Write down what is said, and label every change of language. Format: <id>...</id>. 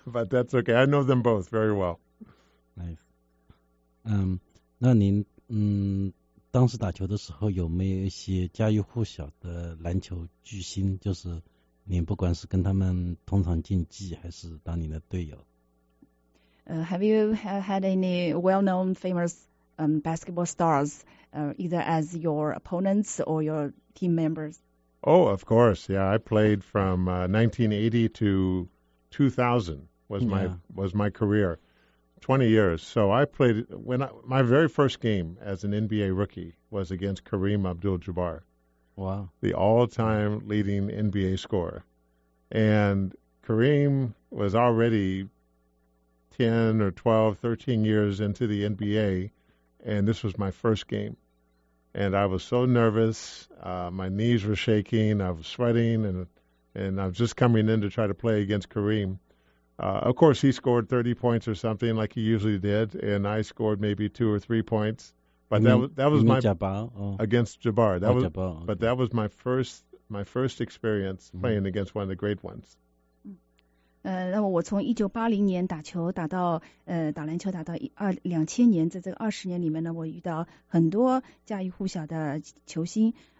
<en>But that's okay. I know them both very well. Nice.</en> <zh>那您当时打球的时候有没有一些家喻户晓的篮球巨星？就是您不管是跟他们同场竞技，还是当您的队友。</zh> <en>Have you had any well-known famous basketball stars either as your opponents or your team members? Oh, of course. Yeah, I played from 1980 to 2000 was my career, 20 years. So I played my very first game as an NBA rookie was against Kareem Abdul-Jabbar. Wow. The all-time leading NBA scorer. And Kareem was already 10 or 12, 13 years into the NBA, and this was my first game. And I was so nervous. My knees were shaking. I was sweating. And I was just coming in to try to play against Kareem. Of course, he scored 30 points or something like he usually did. And I scored maybe 2 or 3 points. But that was my Jabbar, against Jabbar. Jabbar, okay. But that was my first experience playing against one of the great ones.</en> <zh>那么我从1980年打球打到打篮球打到2000年，在这个20年里面呢，我遇到很多家喻户晓的球星。</zh>